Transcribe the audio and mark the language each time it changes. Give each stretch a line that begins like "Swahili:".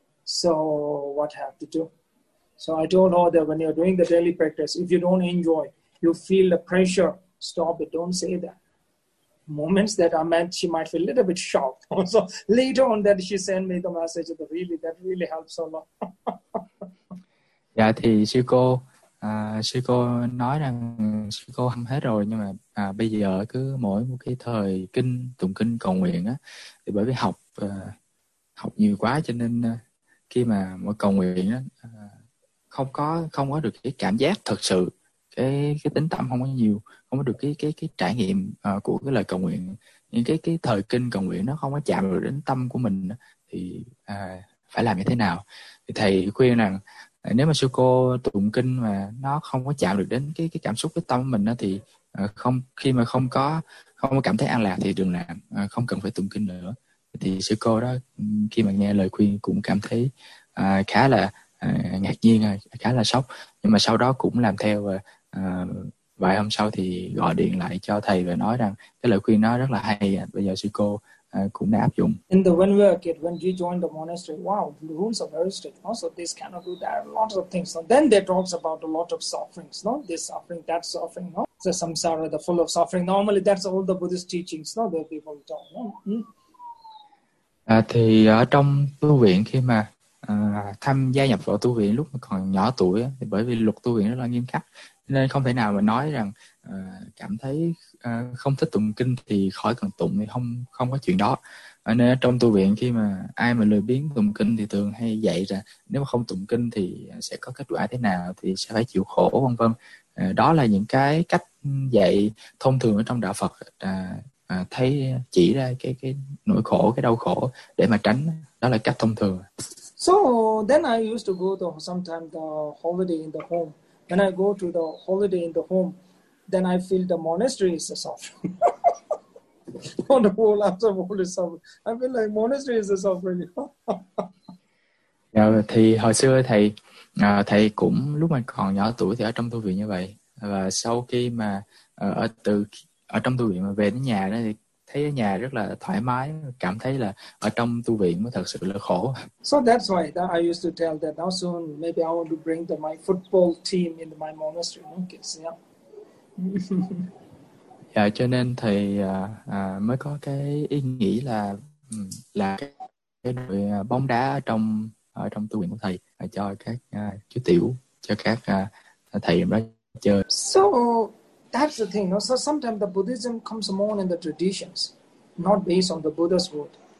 English: So what have to do? So I don't know that when you're doing the daily practice, if you don't enjoy, you feel the pressure, stop it. Don't say that. Moments that I meant she might feel a little bit shocked. So later on that she sent me the message that really helps a lot.
Vietnamese: Yeah, thì sư cô sư cô nói rằng sư cô hâm hết rồi, nhưng mà bây giờ cứ mỗi một cái thời kinh tụng kinh cầu nguyện á, thì bởi vì học học nhiều quá cho nên khi mà mỗi cầu nguyện á, không có được cái cảm giác thật sự, cái tính tâm không có nhiều, không có được cái trải nghiệm của cái lời cầu nguyện, những cái thời kinh cầu nguyện nó không có chạm được đến tâm của mình thì phải làm như thế nào. Thì thầy khuyên rằng nếu mà sư cô tụng kinh mà nó không có chạm được đến cái cảm xúc, cái tâm của mình đó, thì không, khi mà không có cảm thấy an lạc thì đừng làm, không cần phải tụng kinh nữa. Thì sư cô đó khi mà nghe lời khuyên cũng cảm thấy khá là ngạc nhiên, khá là sốc, nhưng mà sau đó cũng làm theo. Và vài hôm sau thì gọi điện lại cho thầy và nói rằng cái lời khuyên nó rất là hay, bây giờ sư cô cũng đã áp dụng.
English: In the when we were a kid, when we joined the monastery, wow, the rules are very strict. No? So this cannot do that. Lots of things. So then they talks about a lot of sufferings. No, this suffering, that suffering. No, the samsara, the full of suffering. Normally, that's all the Buddhist teachings. No, that people talk. No?
Vietnamese: Thì ở trong tu viện khi mà tham gia nhập vào tu viện lúc mà còn nhỏ tuổi, thì bởi vì luật tu viện rất là nghiêm khắc, nên không thể nào mà nói rằng cảm thấy không thích tụng kinh thì khỏi cần tụng, thì không có chuyện đó. Nên trong tu viện khi mà ai mà lười biếng tụng kinh thì thường hay dạy ra nếu mà không tụng kinh thì sẽ có kết quả thế nào, thì sẽ phải chịu khổ vân vân. Đó là những cái cách dạy thông thường ở trong đạo Phật, thấy chỉ ra cái nỗi khổ, cái đau khổ để mà tránh. Đó là cách thông thường.
English: So then I used to go to sometimes the holiday in the home. When I go to the holiday in the home, then I feel the monastery is a suffering. On the whole, after all is suffering, I feel like monastery is a suffering.
Vietnamese: Yeah, thì hồi xưa thầy cũng lúc mà còn nhỏ tuổi thì ở trong tu viện như vậy, và sau khi mà ở trong tu viện mà về đến nhà đó thì thấy ở nhà rất là thoải mái, cảm thấy là ở trong tu viện mới thật sự là khổ.
English: So that's why that I used to tell that now soon maybe I want to bring the my football team in my monastery. Okay, yeah.
Vietnamese: Dạ, cho nên thầy mới có cái ý nghĩ là cái đội bóng đá ở trong tu viện của thầy cho các chú tiểu, cho các thầy đó chơi.
English: So that's the thing. No? So sometimes the Buddhism comes more in the traditions, not based on the Buddha's word.